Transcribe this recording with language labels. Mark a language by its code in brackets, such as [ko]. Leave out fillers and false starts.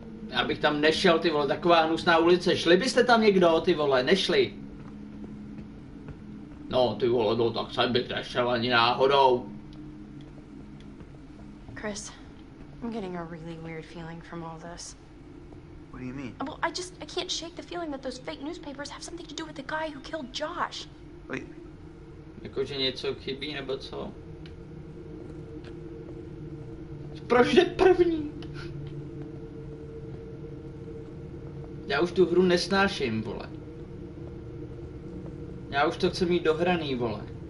[cs] Já bych tam nešel, ty vole, taková hnusná ulice, šli byste tam někdo, ty vole, nešli. No, ty vole, no, tak jsem bych nešel ani náhodou. [en] Chris, I'm getting a really weird feeling from all this. What do you mean? Well, I can't shake the feeling that those fake newspapers have something to do with the guy who killed Josh. Wait. [cs] Jako, že něco chybí, nebo co? Proč jde první? Já už tu hru nesnáším, vole. Já už to chci mít dohraný, vole.